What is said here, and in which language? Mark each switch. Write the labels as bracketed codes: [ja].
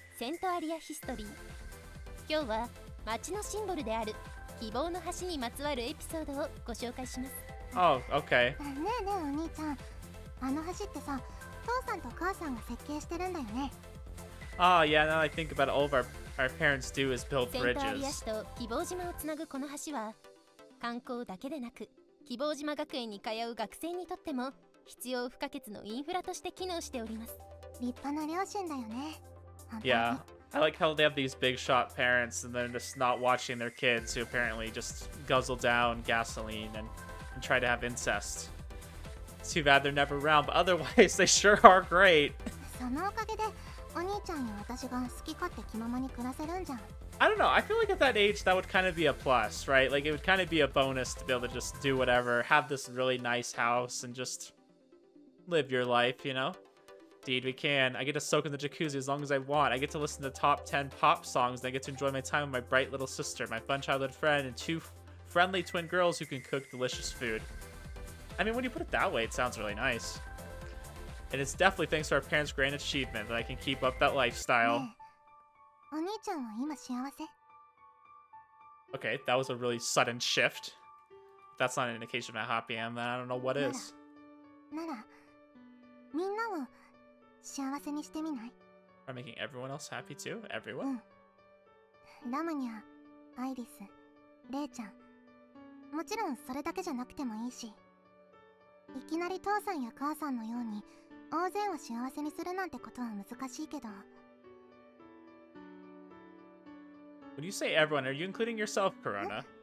[ja] セントアリアヒストリー。今日は町のシンボルである希望の橋にまつわるエピソードをご紹介します。 [en] Oh, okay. [ja] ねえねえお兄ちゃん、あの橋ってさ、父さんと母さんが設計してるんだよね。 [en] Oh, yeah, now I think about it, all of our parents do is build bridges. [ja] セントアリア市と希望島をつなぐこの橋は、観光だけでなく、希望島学園に通う学生にとっても必要不可欠のインフラとして機能しております。立派な両親だよね。 [en] Yeah, I like how they have these big shot parents and they're just not watching their kids who apparently just guzzle down gasoline and try to have incest. Too bad they're never around, but otherwise they sure are great. [ja] そのおかげで、お兄ちゃんや私が好き勝手気ままに暮らせるんじゃん。 [en] I don't know, I feel like at that age that would kind of be a plus, right? Like it would kind of be a bonus to be able to just do whatever, have this really nice house and just live your life, you know? Indeed we can. I get to soak in the jacuzzi as long as I want. I get to listen to top 10 pop songs and I get to enjoy my time with my bright little sister, my fun childhood friend, and two friendly twin girls who can cook delicious food. I mean, when you put it that way, it sounds really nice. And it's definitely thanks to our parents' grand achievement that I can keep up that lifestyle. [ja] お兄ちゃんは今幸せ? [en] Okay, that was a really sudden shift. That's not an indication of how happy I am, then I don't know what is. [ja] なら、みんなを幸せにしてみない? [en] Are you making everyone else happy too? Everyone? [ja] ラムニャ、アイリス、レイちゃん。もちろんそれだけじゃなくてもいいし。いきなり父さんや母さんのように大勢を幸せにするなんてことは難しいけど。 [en] When you say everyone, are you including yourself, Corona?